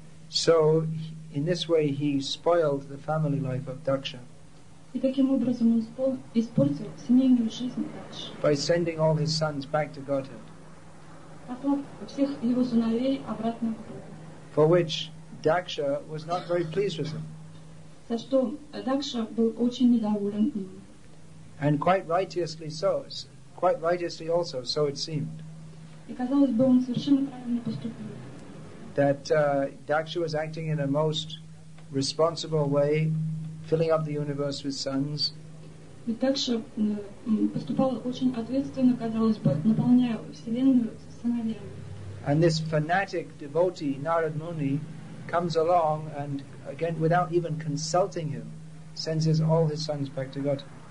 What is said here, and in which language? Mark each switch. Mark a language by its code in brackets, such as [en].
[en] So, in this way, he spoiled the family life of Daksha. [ru] И таким образом он испортил семейную жизнь Дакши. [en] By sending all his sons back to Godhead. [ru] Послав всех его сыновей обратно в Бога. [en] For which Daksha was not very pleased with him. [ru] За что Дакша был очень недоволен им. [en] And quite righteously so, quite righteously also, so it seemed. [ru] И казалось бы, он совершенно правильно поступил. [en] That Daksha was acting in a most responsible way, filling up the universe with sons. And this fanatic devotee, Narad Muni, comes along and, again, without even consulting him, sends all his sons back to God.